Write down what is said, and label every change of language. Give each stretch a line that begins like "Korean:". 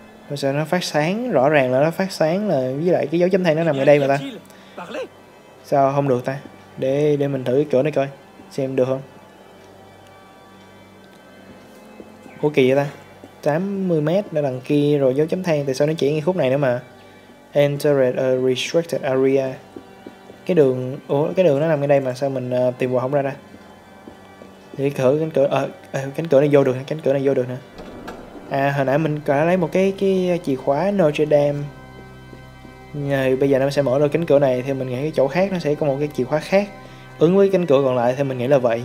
Vietnamese: Mà sao nó phát sáng, rõ ràng là nó phát sáng, là với lại cái dấu chấm than nó nằm ở đây mà ta. Sao không được ta. Để mình thử cái cửa này coi, xem được không. Ủa kỳ vậy ta, 80m ở đằng kia rồi dấu chấm than, tại sao nó chỉ ngay khúc này nữa mà.
English: Enter a restricted area.
Vietnamese: Cái đường nó nằm ngay đây mà sao mình tìm hoài không ra. Thì cánh cửa này vô được nè. À hồi nãy mình đã lấy một cái chìa khóa Notre Dame. Bây giờ nó sẽ mở được cánh cửa này, thì mình nghĩ cái chỗ khác nó sẽ có một cái chìa khóa khác ứng với cánh cửa còn lại, thì mình nghĩ là vậy.